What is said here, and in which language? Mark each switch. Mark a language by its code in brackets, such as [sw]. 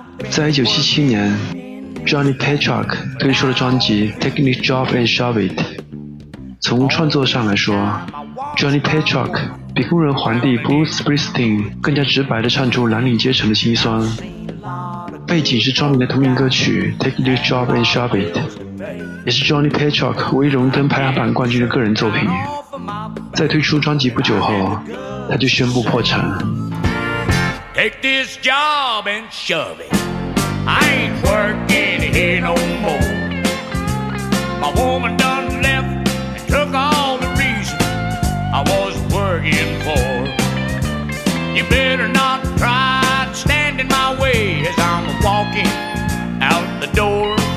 [zh] 在1977年 Johnny Patrick 推出了专辑 Take Me Job and Shove It。从创作上来说， Johnny Patrick 比工人皇帝 Bruce Springsteen 更加直白地唱出蓝领阶层的辛酸，背景是著名的同名歌曲 Take Me Job and Shove It， 也是 Johnny Patrick 唯一荣登排行榜冠军的个人作品。在推出专辑不久后，他就宣布破产。 [en] Take this job and shove it. I ain't working here no more. My woman done left and took all the reason I was working for. You better not try to stand in my way as I'm walking out the door.